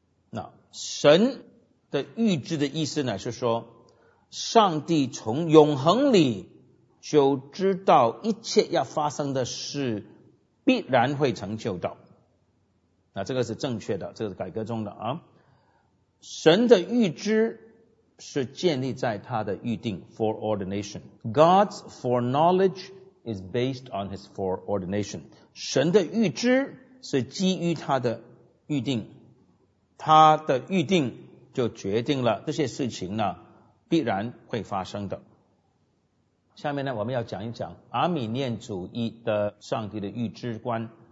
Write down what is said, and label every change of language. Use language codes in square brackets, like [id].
[zh] 那神的预知的意思呢，是说上帝从永恒里就知道一切要发生的事必然会成就的。那这个是正确的，这个是改革中的啊。神的预知是建立在他的预定 foreordination。 [en] God's foreknowledge is based on his foreordination。 [zh] 神的预知是基于他的预定，他的预定就决定了这些事情呢必然会发生的。下面呢，我们要讲一讲阿米念主义的上帝的预知观。